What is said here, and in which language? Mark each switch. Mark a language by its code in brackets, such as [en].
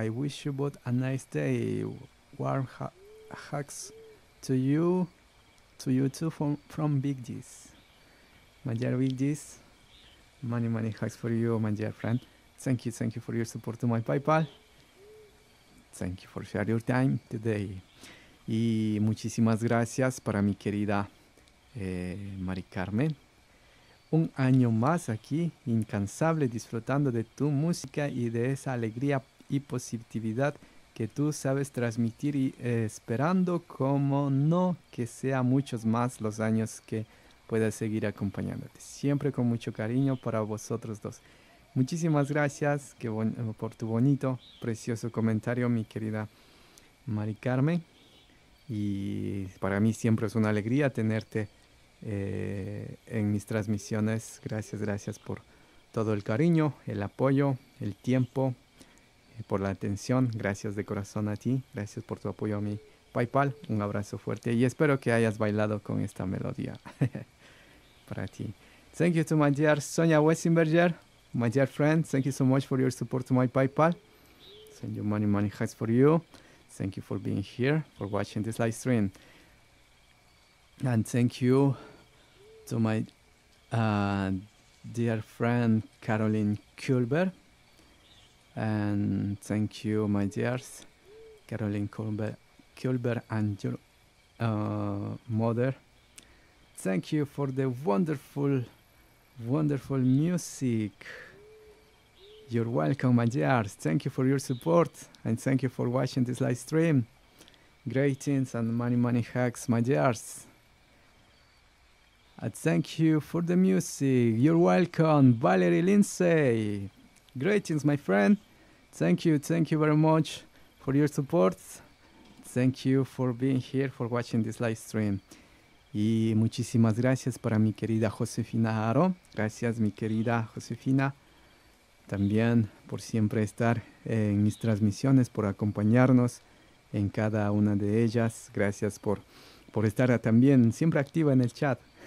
[en] I wish you both a nice day. Warm hugs to you. To you too from Big D's. My dear Big D's, many, many hugs for you, my dear friend. Thank you for your support to my PayPal. Thank you for sharing your time today. [es] Y muchísimas gracias para mi querida Mari Carmen. Un año más aquí, incansable, disfrutando de tu música y de esa alegría y positividad que tú sabes transmitir y esperando, como no, que sea muchos más los años que puedas seguir acompañándote. Siempre con mucho cariño para vosotros dos. Muchísimas gracias por tu bonito, precioso comentario, mi querida Mari Carmen. Y para mí siempre es una alegría tenerte en mis transmisiones. Gracias, gracias por todo el cariño, el apoyo, el tiempo, por la atención. Gracias de corazón a ti, gracias por tu apoyo a mi PayPal. Un abrazo fuerte y espero que hayas bailado con esta melodía para ti. [en] Thank you to my dear Sonia Wessinberger, my dear friend. Thank you so much for your support to my PayPal. Send you money, money hugs for you. Thank you for being here, for watching this live stream. And thank you to my dear friend Caroline Kulber. And thank you, my dears, Caroline Kulber and your mother. Thank you for the wonderful, wonderful music. You're welcome, my dears. Thank you for your support. And thank you for watching this live stream. Greetings and many, many hugs, my dears. And thank you for the music. You're welcome, Valerie Lindsay. Greetings, my friend. Thank you very much for your support. Thank you for being here, for watching this live stream. [es] Y muchísimas gracias para mi querida Josefina Haro. Gracias, mi querida Josefina, también por siempre estar en mis transmisiones, por acompañarnos en cada una de ellas. Gracias por estar también siempre activa en el chat.